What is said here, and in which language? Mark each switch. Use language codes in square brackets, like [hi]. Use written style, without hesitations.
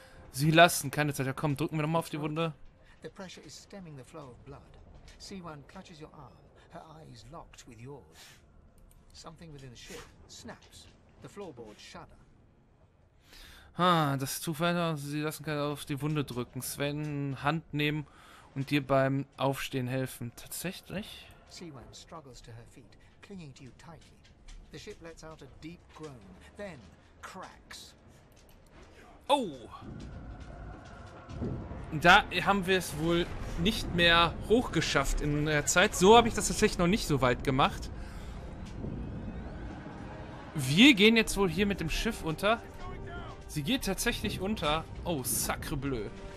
[de] Sie lassen keine Zeit. Ja, komm, drücken wir nochmal auf die Wunde. [en] The pressure is stemming the flow of blood. C1 clutches your arm. Her eyes locked with yours. Something within the ship snaps. The floorboard shudder. [de] Ah, das Zufall, sie lassen gerade auf die Wunde drücken. Sven, Hand nehmen und dir beim Aufstehen helfen. Tatsächlich? [en] C1 struggles to her feet, clinging to you tightly. The ship lets out a deep groan, then cracks. Oh! [de] Da haben wir es wohl nicht mehr hochgeschafft in der Zeit. So habe ich das tatsächlich noch nicht so weit gemacht. Wir gehen jetzt wohl hier mit dem Schiff unter. Sie geht tatsächlich unter. [fr] Oh, sacre bleu.